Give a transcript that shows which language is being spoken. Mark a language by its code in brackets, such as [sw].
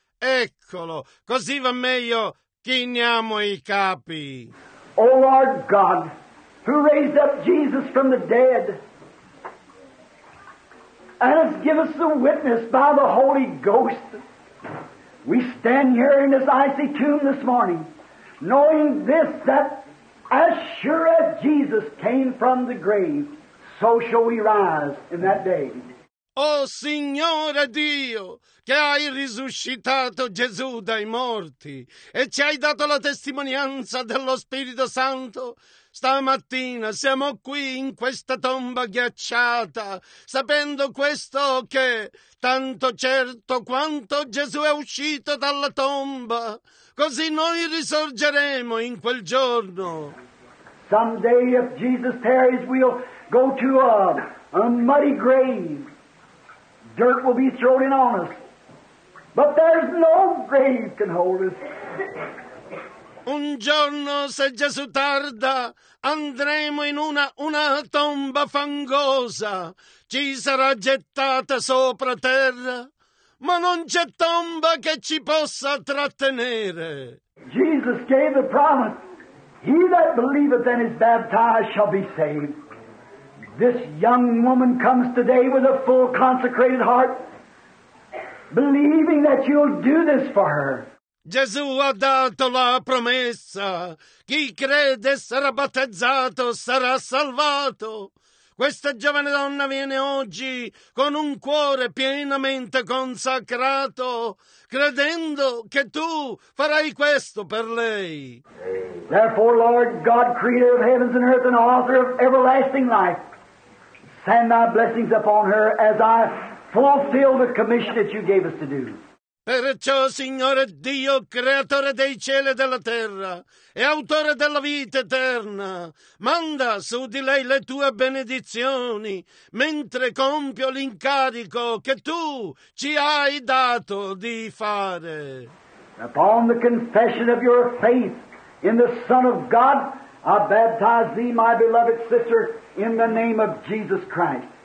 [it] Eccolo, così va meglio, chiniamo i capi. [en] O Lord God, who raised up Jesus from the dead, and has given us the witness by the Holy Ghost, we stand here in this icy tomb this morning, knowing this, that as sure as Jesus came from the grave, so shall we rise in that day. [it] O Signore Dio, che hai risuscitato Gesù dai morti e ci hai dato la testimonianza dello Spirito Santo, stamattina siamo qui in questa tomba ghiacciata, sapendo questo che, tanto certo quanto Gesù è uscito dalla tomba, così noi risorgeremo in quel giorno. [en] Someday, if Jesus tarries, we'll go to a muddy grave. Dirt will be thrown in on us, but there's no grave can hold us. [it] Un giorno, se Gesù tarda, andremo in una tomba fangosa. Ci sarà gettata sopra terra, ma non c'è tomba che ci possa trattenere. [en] Jesus gave the promise, he that believeth and is baptized shall be saved. This young woman comes today with a full consecrated heart, believing that you'll do this for her. [it] Gesù ha dato la promessa. Chi crede sarà battezzato, sarà salvato. Questa giovane donna viene oggi con un cuore pienamente consacrato, credendo che tu farai questo per lei. [en] Therefore, Lord God, creator of heavens and earth and author of everlasting life, send thy blessings upon her as I fulfill the commission that you gave us to do. [it] Perciò, Signore Dio, creatore dei cieli e della terra e autore della vita eterna, manda su di lei le tue benedizioni mentre compio l'incarico che tu ci hai dato di fare. [en] Upon the confession of your faith in the Son of God, I baptize thee, my beloved sister, in the name of Jesus Christ.